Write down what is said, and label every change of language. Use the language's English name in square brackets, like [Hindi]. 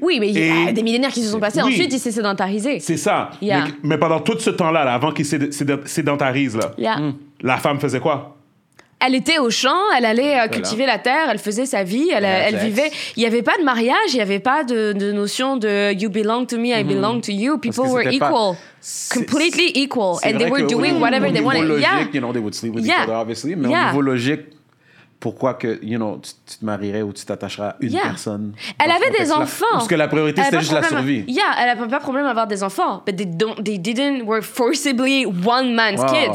[French] Oui, mais il y a des millénaires qui se sont passés. Oui. Ensuite, il s'est sédentarisé. C'est ça. [English] Yeah. [French] Mais pendant tout ce temps-là, là, avant qu'il se sédentarise, là, la femme faisait quoi? Elle était au champ, elle allait cultiver la terre, elle faisait sa vie, elle vivait. Il n'y avait pas de mariage, il n'y avait pas de notion de « [English] you belong to me, I belong to you ». People were equal, completely equal. And they were doing whatever they wanted. [French] Au niveau logique, [English] they would sleep with each other, obviously. [French] Mais au niveau logique... pourquoi que, [English] you know, [French] tu te marierais ou tu t'attacherais à une personne. Elle avait des enfants. Parce que la priorité, c'était juste la survie. [English] Yeah, [French] elle n'avait pas de problème à avoir des enfants. [English] But they didn't were forcibly one man's kids.